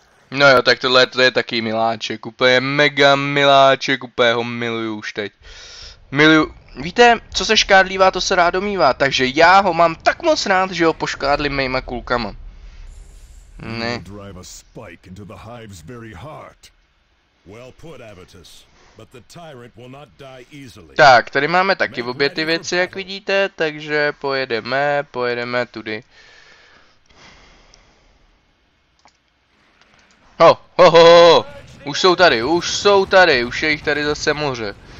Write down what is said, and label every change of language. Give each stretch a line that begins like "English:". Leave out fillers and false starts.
Czech: No jo, tak tohle to je taky miláček, úplně mega miláček, úplně ho miluju už teď. Miluju... Víte, co se škádlívá, to se rád domývá, takže já ho mám tak moc rád, že ho poškádli mýma kulkama. Ne.
English: Drive a spike into the hive's very heart. Well put, Avitus, but the tyrant will not die easily.
Czech: Tak, tady máme taky obě ty věci, jak vidíte, takže pojedeme tudy. Ho, ho, ho, ho, už jsou tady, už je jich tady zase moře.